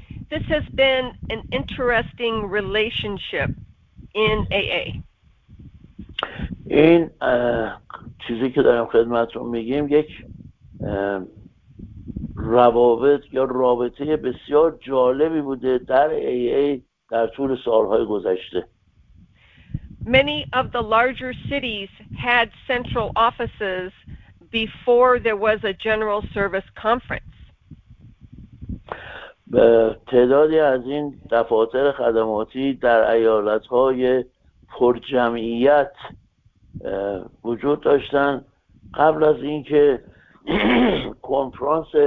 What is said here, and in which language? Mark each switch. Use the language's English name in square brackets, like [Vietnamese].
[English] This has been an interesting relationship in AA. [Persian] این چیزی که دارم خدمتتون میگیم یک روابط یا رابطه بسیار جالبی بوده در AA در طول سالهای گذشته. [English] Many of the larger cities had central offices before there was a general service conference. [Persian] تعدادی از این دفاتر خدماتی در ایالت‌های پرجمعیت وجود داشتن قبل از اینکه کنفرانس